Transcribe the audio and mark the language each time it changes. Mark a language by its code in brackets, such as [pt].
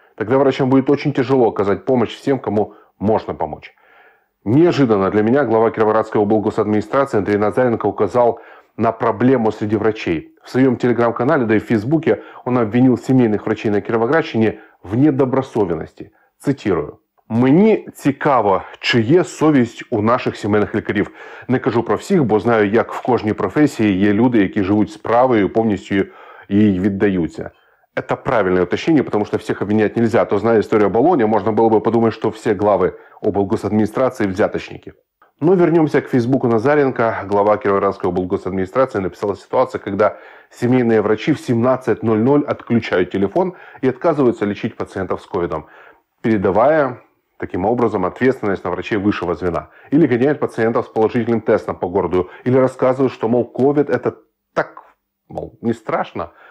[ru] Тогда врачам будет очень тяжело оказать помощь всем, кому можно помочь. Неожиданно для меня глава Кировоградской облгосадминистрации Андрей Назаренко указал на проблему среди врачей. В своем телеграм-канале, да и в Фейсбуке, он обвинил семейных врачей на Кировоградщине в недобросовестности. Цитирую. [uk] «Мені цікаво, чи є совість у наших сімейних лікарів. Не кажу про всіх, бо знаю, як в кожній професії є люди, які живуть справою, повністю їй віддаються». Це правильне уточнення, тому що всіх обвиняти не можна. То знає історію Болоні, можна було б подумати, що всі глави облгосадміністрації – взяточники. Ну, вернемося к Фейсбуку Назаренко. [ru] Глава Кировоградской облгосадминистрации написала ситуацию, когда семейные врачи в 17.00 отключают телефон и отказываются лечить пациентов с ковидом. передавая таким образом ответственность на врачей высшего звена. Или гоняют пациентов с положительным тестом по городу. Или рассказывают, что, мол, COVID это так, мол, не страшно.